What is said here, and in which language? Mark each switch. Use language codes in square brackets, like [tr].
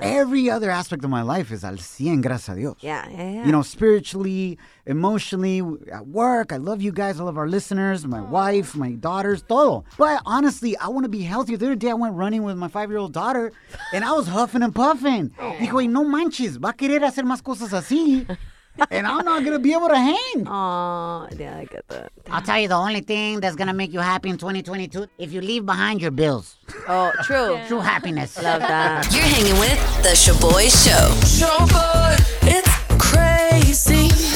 [en] Every other aspect of my life is [es] al 100, gracias a Dios. [en] Yeah. You know, spiritually, emotionally, at work, I love you guys, I love our listeners, my wife, my daughters, todo. But honestly, I want to be healthier. The other day I went running with my 5-year-old daughter, and I was huffing and puffing. [es] Dijo, no manches, va a querer hacer más cosas así. [en] And I'm not going to be able to hang. Oh, yeah, I get that. Damn. I'll tell you the only thing that's going to make you happy in 2022, if you leave behind your bills. Oh, true. Yeah. True happiness. Love that. You're hanging with The Sha'Boy Show. Sha'Boy, it's crazy.